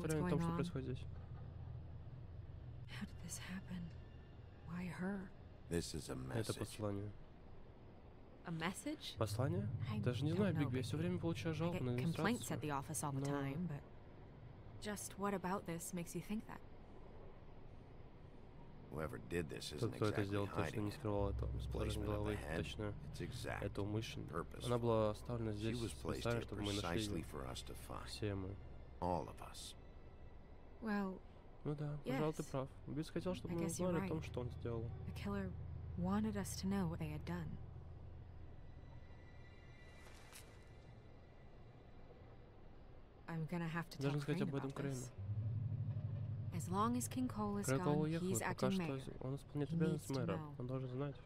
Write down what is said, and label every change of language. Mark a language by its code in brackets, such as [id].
[ru] Тебе есть представление о том, что происходит здесь? [en] How did this happen? Why her? This is a message. [ru] Это послание. [en] A message? [ru] Послание? Даже не знаю, Биг Би, я все время получаю жалобы на администрацию. [en] Just what about this makes you think that? Whoever did this isn't exactly hiding it. [ru] Тот, кто это сделал, точно не скрывал это. Точно. Это умышленно. Она была оставлена здесь специально, чтобы мы нашли все мы. [en] Well, [ru] Ну да, пожалуй, ты прав. Убийца хотел, чтобы мы узнали о том, что он сделал. [en] The killer wanted us to know what they had done. I'm gonna have to talk to Crane about this. As long as King Cole is gone, he's acting mayor. He needs to know.